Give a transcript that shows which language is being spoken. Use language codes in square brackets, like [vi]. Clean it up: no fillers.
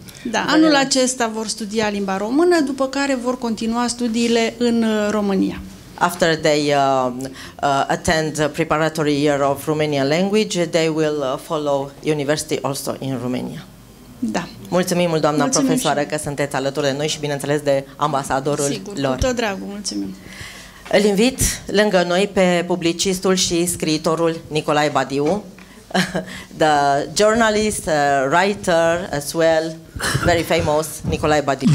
[ro] Da, anul acesta vor studia limba română, după care vor continua studiile în România. [en] After they attend the preparatory year of Romanian language, they will follow university also in Romania. [ro] Da. Mulțumim mult, doamna profesoară, că sunteți alături de noi și, bineînțeles, de ambasadorul lor. Sigur, cu tot dragul, mulțumim. Îl invit lângă noi pe publicistul și scriitorul Nicolae Badiu, [en] the journalist, writer as well, very famous, Nicolae Badiu.